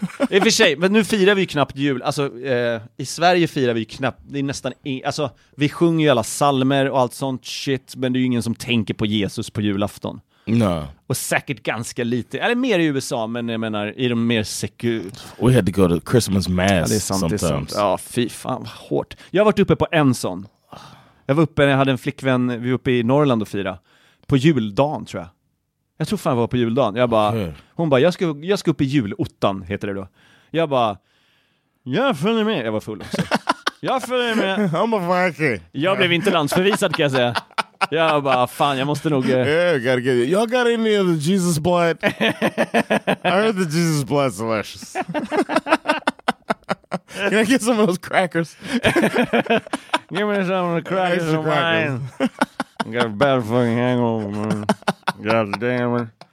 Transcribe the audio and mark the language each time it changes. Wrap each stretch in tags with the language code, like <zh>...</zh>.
<sv>I och för sig, men nu firar vi ju knappt jul. Alltså, i Sverige firar vi ju knappt... Det är nästan... Alltså, vi sjunger ju alla salmer och allt sånt shit. Men det är ju ingen som tänker på Jesus på julafton.</sv> <en>No.</en> <sv>Och säkert ganska lite. Eller mer i USA, men jag menar i de mer sekur...</sv> <en>We had to go to Christmas mass sometimes.</en> <sv>Ja, fy fan, vad hårt. Jag har varit uppe på en sån. Jag var uppe när jag hade en flickvän. Vi var uppe i Norrland och fira. På juldagen, tror jag. Jag tror fan var på juldagen. Jag bara, hon bara, jag ska upp i julottan, heter det då. Jag bara, jag följer med. Jag var full också. Jag följer med. Jag blev inte landsförvisad, kan jag säga. Jag bara, fan, jag måste nog...</sv> <en>Y'all got any of the Jesus blood? I heard the Jesus blood is delicious. Can I get some of those crackers? Give me some of the crackers of mine. Got a bad fucking hangover, man. God damn it.</en>